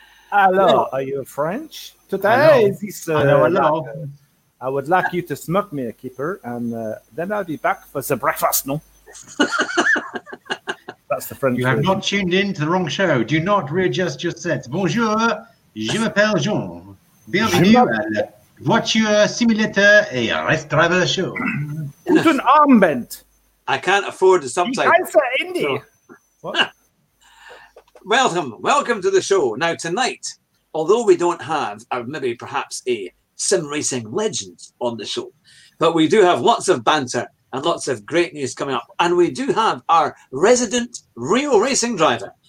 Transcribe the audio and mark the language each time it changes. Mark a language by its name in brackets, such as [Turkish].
[English] Hello. Are you French today? Hello. I would like you to smoke me a keeper, and then I'll be back for the breakfast, no? That's the French. You have not tuned in to the wrong show. Do not readjust your sets. [French] Bonjour, je m'appelle Jean. Bienvenue à la voiture simulateur et race driver show. [German] Guten Abend. [English] I can't afford the subtitle. You can't say Indy. Welcome to the show. Now, tonight, although we don't have a sim racing legend on the show, but we do have lots of banter and lots of great news coming up, and we do have our resident real racing driver.